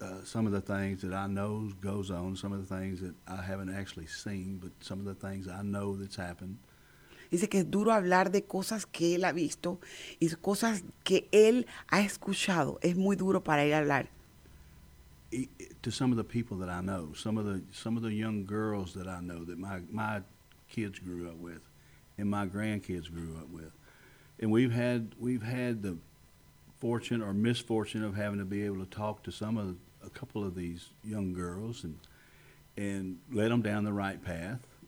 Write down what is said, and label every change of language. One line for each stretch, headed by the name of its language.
English: Some of the things that I know goes on, some of the things that I haven't actually seen, but some of the things I know that's happened.
Spanish: Dice que es duro hablar de cosas que él ha visto y cosas que él ha escuchado. Es muy duro para él hablar.
English: To some of the people that I know, some of the young girls that I know that my kids grew up with and my grandkids grew up with. And we've had the fortune or misfortune of having to be able to talk to a couple of these young girls and let them down the right path.